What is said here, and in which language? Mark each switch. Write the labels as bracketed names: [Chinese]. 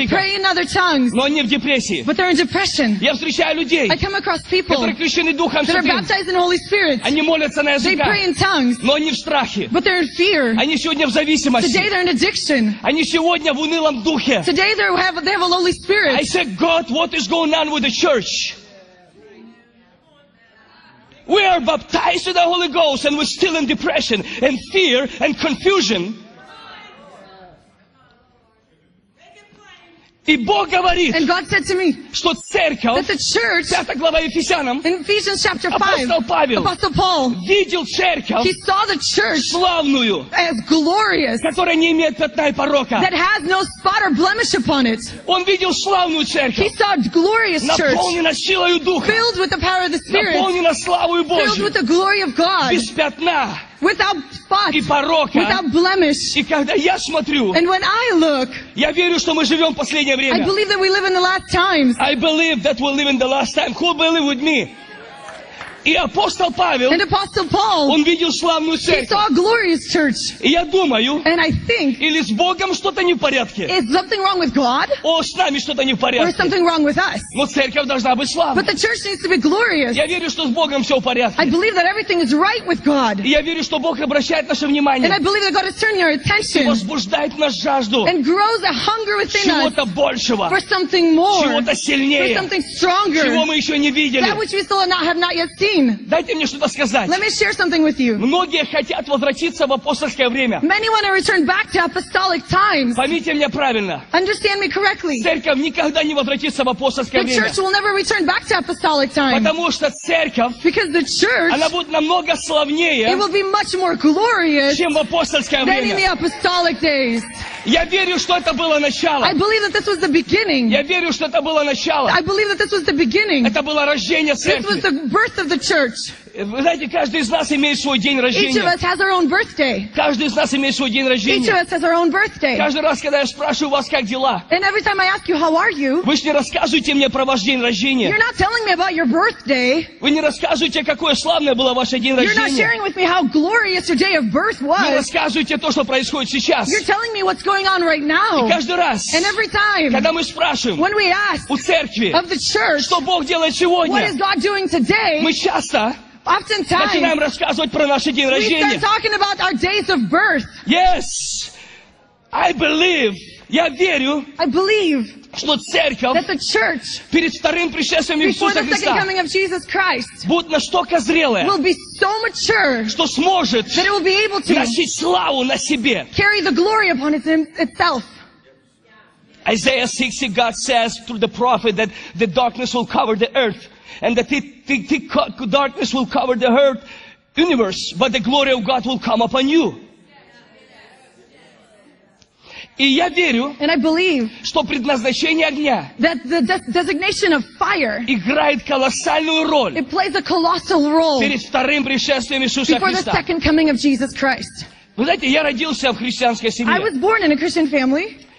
[English] they pray in other tongues, [Russian] но они в депрессии. [English] But they're in depression. [Russian] Я встречаю людей, [English] I come across people [Russian] которые крещены духом [English] that are baptized in Holy Spirit. [Russian] Они молятся на языках, [English] they pray in tongues, [Russian] но они в страхе. [English] But they're in fear. [Russian] Они сегодня в зависимости. [English] Today they're in addiction. [Russian] Они сегодня в унылом духе. [English] Today they have a lowly spirit. I said, God, what is going on with the church? We are baptized with the Holy Ghost and we're still in depression and fear and confusion. [Russian] И Бог говорит, [English] and God said to me, [Russian] что церковь, [English] that the church, [Russian] 5 глава Ефесянам, [English] in Ephesians chapter 5, [Russian] апостол Павел, [English] Apostle Paul, [Russian] видел церковь, [English] he saw the church, [Russian] славную, [English] as glorious, [Russian] которая не имеет пятна и порока, [English] that has no spot or blemish upon it. [Russian] Он видел славную церковь, [English] he saw a glorious church, [Russian] наполнена силою духа, [English] filled with the power of the Spirit, [Russian] наполнена славою Божию, [English] filled with the glory of God, [Russian] без пятна, [English] without spot, [Russian] и порока, [English] without blemish. [Russian] И когда я смотрю, [English] and when I look, [Russian] я верю, что мы живем в последнее время. [English] I believe that we live in the last times. I believe that we live in the last time. Who believe with me? [Russian] И апостол Павел, [English] and Apostle Paul, [Russian] он видел славную церковь. [English] He saw a glorious church. [Russian] И я думаю, [English] and I think, [Russian] или с Богом что-то не в порядке, [English] is something wrong with God? [Russian] О, с нами что-то не в порядке. [English] Or is something wrong with us? [Russian] Но церковь должна быть славной. [English] But the church needs to be glorious. [Russian] Я верю, что с Богом все в порядке. [English] I believe that everything is right with God. [Russian] И я верю, что Бог обращает наше внимание. [English] And I believe that God is turning our attention. [Russian] И возбуждает нас жажду. [English] And grows a hunger within [Russian] чего-то [English] us. [Russian] Чего-то большего. [English] For something more. [Russian] Чего-то сильнее. [English] For something stronger. [Russian] Чего мы еще не видели. [English] That which we still have not yet seen. [Russian] Дайте мне что-то сказать. [English] Let me share something with you. [Russian] Многие хотят возвратиться в апостольское время. [English] Many want to return back to apostolic times. [Russian] Поймите меня правильно. [English] Understand me correctly. [Russian] Церковь никогда не возвратится в апостольское время. [English] The church will never return back to apostolic times. [Russian] Потому что церковь, [English] because the church, [Russian] она будет намного славнее, [English] it will be much more glorious, [Russian] чем в апостольское время, [English] than in the apostolic days. [Russian] Я верю, что это было начало. [English] I believe that this was the beginning. [Russian] Я верю, что это было начало. [English] I believe that this was the beginning. [Russian] Это было рождение церкви. [English] This was the birth of the church. [Russian] Вы знаете, каждый из нас имеет свой день рождения. [English] Each of us has our own birthday. [Russian] Каждый из нас имеет свой день рождения. [English] Each of us has our own birthday. [Russian] Каждый раз, когда я спрашиваю вас, как дела? [English] And every time I ask you, how are you? [Russian] Вы же не рассказываете мне про ваш день рождения. [English] You're not telling me about your birthday. [Russian] Вы не рассказываете, какое славное было ваше день рождения. [English] You're not sharing with me how glorious your day of birth was. [Russian] Вы рассказываете то, что происходит сейчас. [English] You're telling me what's going on right now. [Russian] И каждый раз, [English] and every time, [Russian] когда мы спрашиваем, [English] when we ask, [Russian] у церкви, [English] of the church, [Russian] что Бог делает сегодня, [English] what is God doing today? [Russian] Мы часто [English] oftentimes, [Russian] начинаем рассказывать про наши дни рождения. [English] We start talking about our days of birth. Yes, I believe. [Russian] Я верю. [English] I believe. [Russian] Что церковь, [English] that the church, [Russian] перед вторым пришествием Иисуса Христа, [English] before the second coming of Jesus Christ, [Russian] будет настолько зрелая, [English] will be so mature, [Russian] что сможет, [English] that it will be able to, [Russian] носить славу на себе, [English] carry the glory upon itself. Isaiah 60, God says through the prophet that the darkness will cover the earth and that thick darkness will cover the earth universe, but the glory of God will come upon you. [Russian] И я верю, [English] and I believe, [Russian] что предназначение огня, [English] that the designation of fire, [Russian] играет колоссальную роль, [English] it plays a colossal role, [Russian] перед вторым пришествием Иисуса [English] before [Russian] Христа, [English] before the second coming of Jesus Christ. [Russian] Вы знаете, я родился в христианской семье. [English] I was born in a Christian family.